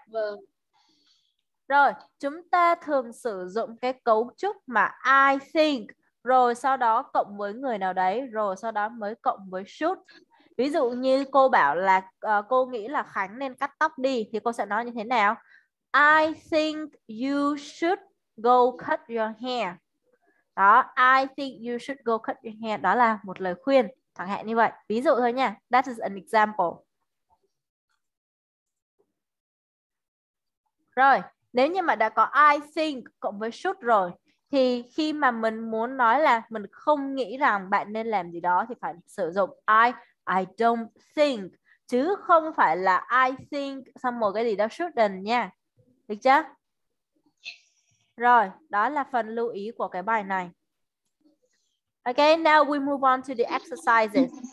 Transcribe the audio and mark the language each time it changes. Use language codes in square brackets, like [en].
[vi] Vâng. Rồi, chúng ta thường sử dụng cái cấu trúc mà I think, rồi sau đó cộng với người nào đấy, rồi sau đó mới cộng với should. Ví dụ như cô bảo là cô nghĩ là Khánh nên cắt tóc đi, thì cô sẽ nói như thế nào? [en] I think you should go cut your hair. Đó, I think you should go cut your hair. [vi] Đó là một lời khuyên, chẳng hạn như vậy. Ví dụ thôi nha, [en] that is an example. [vi] Rồi, nếu như mà đã có I think cộng với should rồi, thì khi mà mình muốn nói là mình không nghĩ rằng bạn nên làm gì đó thì phải sử dụng I don't think, chứ không phải là I think xong một cái gì đó shouldn't nha. Được chưa? Rồi, đó là phần lưu ý của cái bài này. [en] Ok, now we move on to the exercises.